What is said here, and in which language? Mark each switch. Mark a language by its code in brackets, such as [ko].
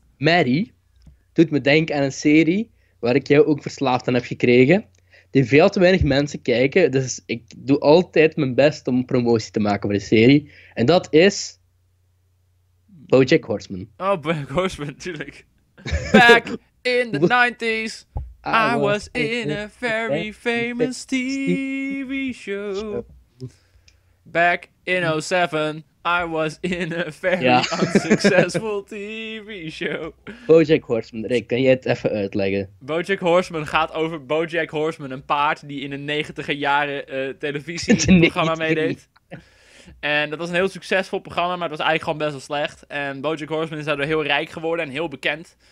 [nl] Mary, doet me denken aan een serie waar ik jou ook verslaafd aan heb gekregen. Die veel te weinig mensen kijken, dus ik doe altijd mijn best om promotie te maken voor de serie. En dat is... BoJack Horseman. Oh, BoJack Horseman, natuurlijk. [en] Back in the 90s, I was in a very famous TV show. Back in 07, I was in a very unsuccessful TV show. [nl] BoJack Horseman, Rick, kan jij het even uitleggen? BoJack Horseman gaat over BoJack Horseman, een paard die in de 90er jaren televisieprogramma meedeed. En dat was een heel succesvol programma, maar het was eigenlijk gewoon best wel slecht. En BoJack Horseman is daardoor heel rijk geworden en heel bekend.